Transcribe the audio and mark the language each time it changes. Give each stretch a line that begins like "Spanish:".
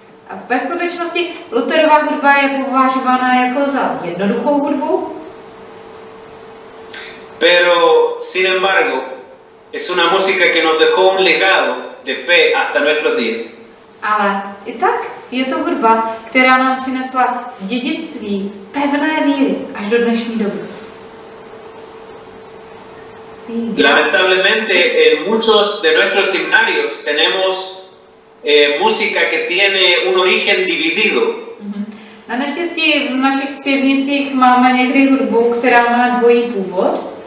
Czech: A ve skutečnosti Luterova hudba je považována jako za jednoduchou hudbu.
Spanish: Pero sin embargo, es una música que nos dejó un legado de fe hasta nuestros días.
Czech: Ale i tak je to hudba, která nám přinesla dědictví pevné víry až do dnešní doby.
Spanish: Lamentablemente, en muchos de nuestros seminarios tenemos música que tiene un origen dividido.
Czech: Na neštěstí v našich zpěvnicích máme někdy hudbu, která má dvojí původ.